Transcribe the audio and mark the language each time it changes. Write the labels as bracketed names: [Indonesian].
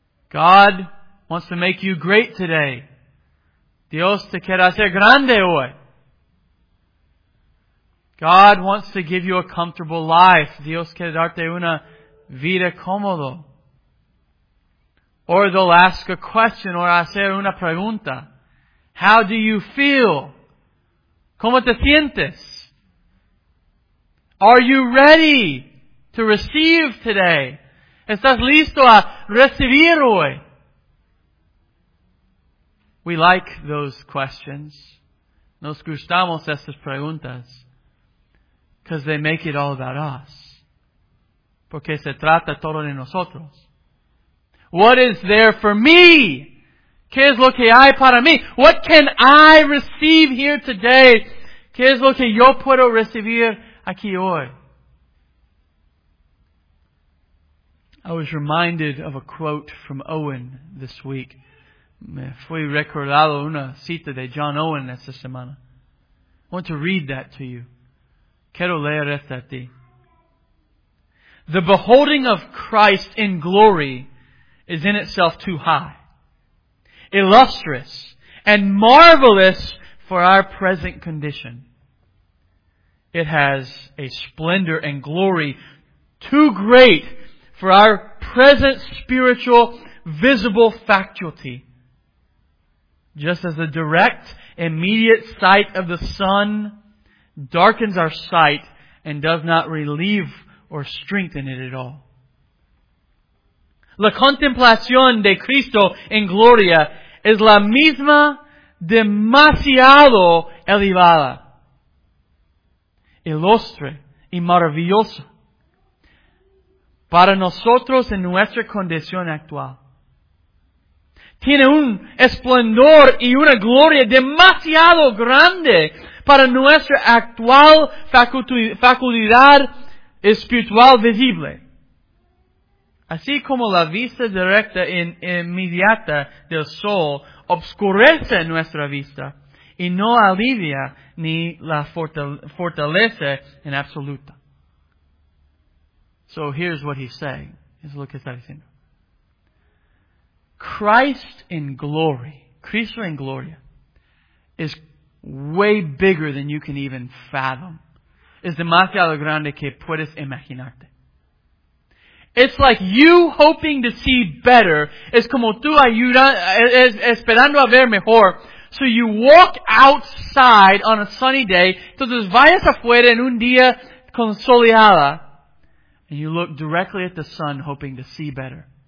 [English] God wants to make you great today. [Spanish] Dios te quiere hacer grande hoy. [English] God wants to give you a comfortable life. [Spanish] Dios quiere darte una vida cómodo. [English] Or they'll ask a question or [Spanish] hacer una pregunta. [English] How do you feel? [Spanish] ¿Cómo te sientes? [English] Are you ready to receive today? [Spanish] ¿Estás listo a recibir hoy? [English] We like those questions. [Spanish] Nos gustamos esas preguntas. [English] Because they make it all about us. [Spanish] Porque se trata todo de nosotros. [English] What is there for me? [Spanish] ¿Qué es lo que hay para mí? [English] What can I receive here today? [Spanish] ¿Qué es lo que yo puedo recibir aquí hoy? [English] I was reminded of a quote from Owen this week. [Spanish] Me fui recordado una cita de John Owen esta semana. [English] I want to read that to you. [Spanish] Quiero leer esta a ti. [English] The beholding of Christ in glory is in itself too high, illustrious, and marvelous for our present condition. It has a splendor and glory too great for our present spiritual visible faculty. Just as the direct, immediate sight of the sun darkens our sight and does not relieve or strengthen it at all. [Spanish] La contemplación de Cristo en gloria es la misma demasiado elevada, ilustre y maravillosa para nosotros en nuestra condición actual. Tiene un esplendor y una gloria demasiado grande para nuestra actual facultad espiritual visible. Así como la vista directa e inmediata del sol obscurece nuestra vista y no alivia ni la fortalece en absoluta. [English] So here's what he's saying. [Spanish] Es lo que está diciendo. [English] Christ in glory [Spanish] Cristo en gloria [English] is way bigger than you can even fathom. [Spanish] Es demasiado grande que puedes imaginarte. [English] It's like you hoping to see better. [Spanish] Es como tú esperando a ver mejor. [English] So you walk outside on a sunny day. [Spanish] Entonces vayas afuera en un día con soleada. [English] And you look directly at the sun hoping to see better.